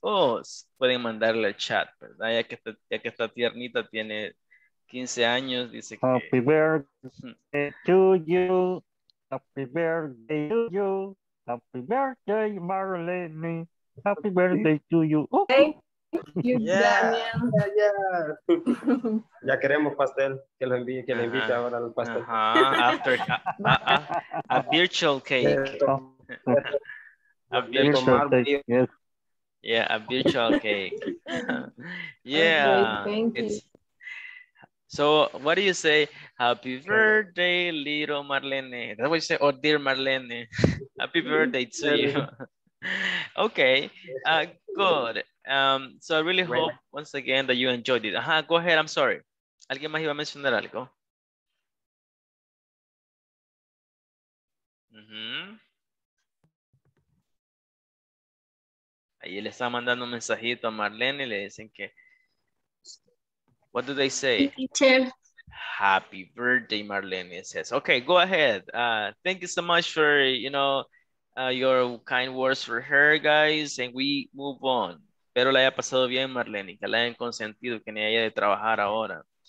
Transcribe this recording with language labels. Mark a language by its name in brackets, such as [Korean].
[Spanish] Oh, pueden mandarle al chat, ¿verdad? Ya que esta tiernita tiene 15 años, dice [English] happy [Spanish] que... [English] Happy birthday to you, happy birthday to you, happy birthday, Marlene, happy birthday to you. Okay. Yeah. [Spanish] Ya queremos pastel, que lo envíe, que le invite ahora al pastel. [English] After a virtual cake. A virtual cake. So what do you say? Happy birthday, little Marlene. That what you say, oh dear Marlene. Happy birthday to you. Okay, good. So I really hope once again that you enjoyed it. Go ahead, I'm sorry. [Spanish] ¿Alguien más iba a mencionar algo? Ahí le está mandando un mensajito a Marlene y le dicen que. [English] What do they say? Happy birthday, Marlene says. Okay, go ahead. Thank you so much for, you know, your kind words for her, guys, and we move on. [Spanish] Espero la haya pasado bien, Marlene, que la hayan consentido, que ni haya de trabajar ahora.